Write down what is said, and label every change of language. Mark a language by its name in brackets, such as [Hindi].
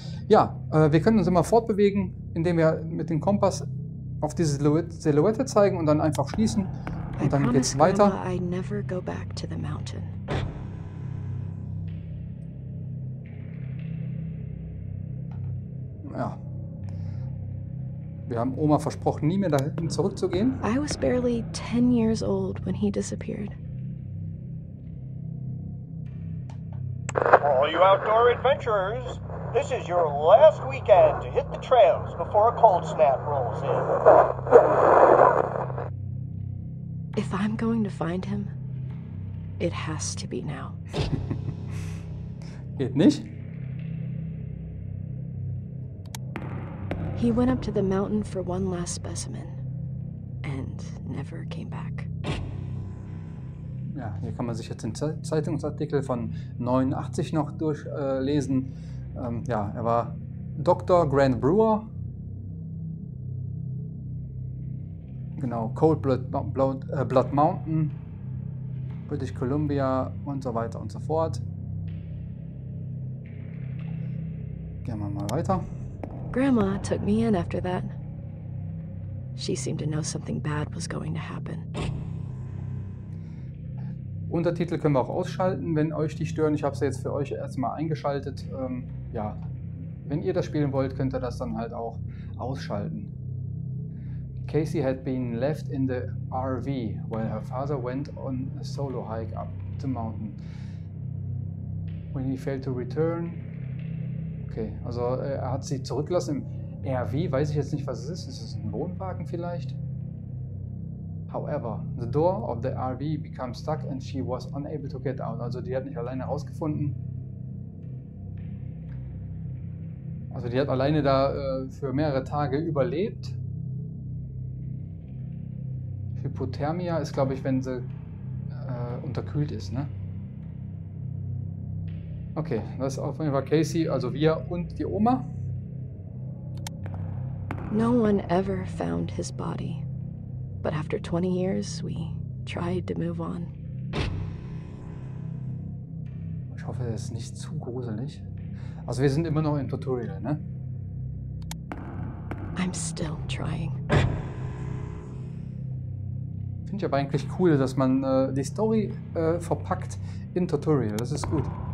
[German] Ja, wir können uns immer fortbewegen, indem wir mit dem Kompass auf diese Silhouette zeigen und dann einfach schließen. Und dann geht's weiter. [English] I never go back to the mountain. [German] Ja. Wir haben Oma versprochen, nie mehr dahin zurückzugehen. [English] I was barely 10 years old when he disappeared. For all you outdoor adventurers, this is your last weekend to hit the trails before a cold snap rolls in. If I'm going to find him, It has to be now. [German] Geht nicht? [English] He went up to the mountain for one last specimen and never came back. [German] Ja, hier kann man sich jetzt den Zeitungsartikel von 89 noch durchlesen. Ja, er war Dr. Grant Brewer. Genau, Cold Blood Mountain, British Columbia und so weiter und so fort. Gehen wir mal weiter. [English] Grandma took me in after that. She seemed to know something bad was going to happen. [German] Untertitel können wir auch ausschalten, wenn euch die stören. Ich habe sie jetzt für euch erstmal eingeschaltet. Ja, wenn ihr das spielen wollt, könnt ihr das dann halt auch ausschalten. [English] Casey had been left in the RV while her father went on a solo hike up the mountain. When he failed to return. [German] Okay, also er hat sie zurückgelassen im RV, weiß ich jetzt nicht, was es ist. Ist es ein Wohnwagen vielleicht? [English] However, the door of the RV became stuck and she was unable to get out. [German] Also die hat nicht alleine rausgefunden. Also die hat alleine da für mehrere Tage überlebt. Hypothermia ist, glaube ich, wenn sie unterkühlt ist, ne? Okay, das ist auf jeden Fall Casey, also wir und die Oma. [English] No one ever found his body. But after 20 years, we tried to move on. [German] Ich hoffe, das ist nicht zu gruselig. Also wir sind immer noch im Tutorial, ne? [English] I'm still trying. [German] Finde ich aber eigentlich cool, dass man die Story verpackt im Tutorial. Das ist gut.